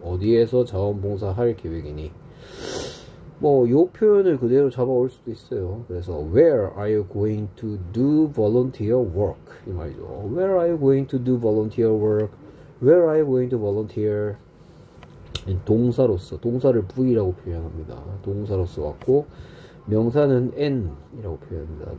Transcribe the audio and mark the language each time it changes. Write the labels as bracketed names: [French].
[Korean] 어디에서 자원봉사 할 계획이니? 뭐, 요 표현을 그대로 잡아올 수도 있어요. 그래서 [English] where are you going to do volunteer work? [Korean] 이 말이죠. [English] Where are you going to do volunteer work? Where are you going to volunteer? [Korean] 동사로서, 동사를 V라고 표현합니다. 동사로서 왔고, 명사는 N이라고 표현합니다.